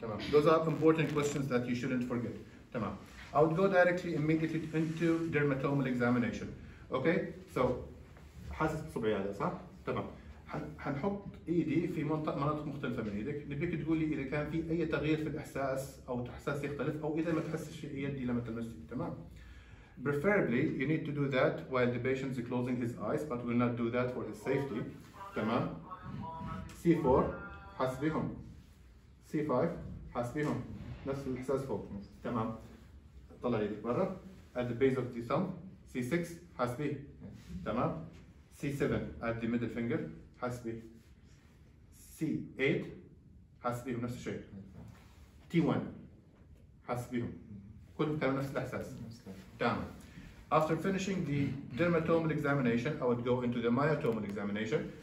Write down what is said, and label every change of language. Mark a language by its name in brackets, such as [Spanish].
[English] Those are important questions that you shouldn't forget. Tamam. I would go directly immediately into dermatomal examination. Okay? [Arabic] So حاسس بصبعي هذا صح؟ تمام. حنحط ايدي في مناطق مختلفة من ايدك. نبيك تقول لي إذا كان في أي تغيير في الإحساس أو إحساس يختلف أو إذا ما تحسش في يدي لما تلمس ايدي. تمام. [English] Preferably you need to do that while the patient is closing his eyes, but we'll not do that for his safety. [Arabic] تمام. C4 حاس بهم C5 حاس بهم نفس الإحساس فوق تمام طلع يدك برا [English] at the base of the thumb [Arabic] C6 حاس به تمام C7 [English] at the middle finger [Arabic] حاس به C8 حاس بهم نفس الشيء T1 حاس بهم كلهم كانوا نفس الإحساس تمام [English] After finishing the dermatomal examination, I would go into the myotomal examination.